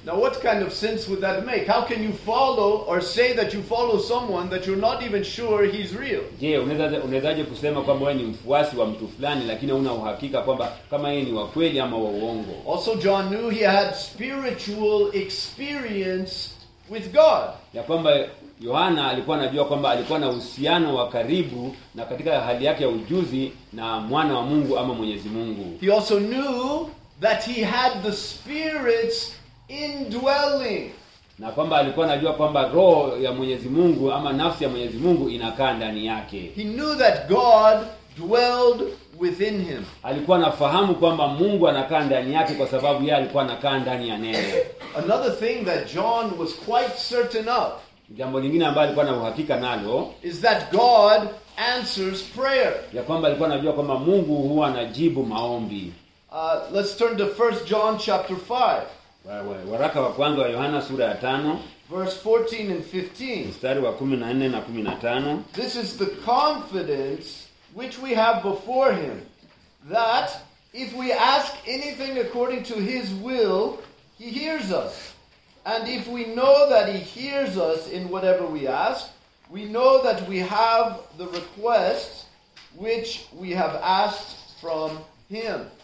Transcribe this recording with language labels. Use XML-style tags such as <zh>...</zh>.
<en>Now what kind of sense would that make? How can you follow or say that you follow someone that you're not even sure he's real?</en> <sw>Je, unawezaje kusema kwamba wewe ni mfuasi wa mtu fulani lakini huna uhakika kwamba kama yeye ni wa kweli ama wa uongo?</sw> <en>Also John knew he had spiritual experience with God.</en> <sw>Ya kwamba Yohana alikuwa anajua kwamba alikuwa na uhusiano wa karibu na katika hali yake ya ujuzi na mwana wa Mungu ama Mwenyezi Mungu.</sw> <en>He also knew that he had the Spirit's indwelling.</en> <sw>Na kwamba alikuwa anajua kwamba roho ya Mwenyezi Mungu ama nafsi ya Mwenyezi Mungu inakaa ndani yake.</sw> <en>He knew that God dwelled within him.</en> <sw>Alikuwa anafahamu kwamba Mungu anakaa ndani yake kwa sababu yeye alikuwa anakaa ndani ya neno.</sw> <en>Another thing that John was quite certain of,</en> <sw>jambo lingine ambalo alikuwa na uhakika nalo,</sw> <en>is that God answers prayer.</en> <sw>Ya kwamba alikuwa anajua kwamba Mungu huwa anajibu maombi.</sw> <en>Let's turn to 1 John chapter 5.</en> <sw>Waraka wa kwanza wa Yohana sura ya 5,</sw> <en>verse 14 and 15.</en> <sw>Mstari wa 14 na 15.</sw> <en>This is the confidence which we have before him, that if we ask anything according to his will, he hears us. And if we know that he hears us in whatever we ask, we know that we have the requests which we have asked from him.</en>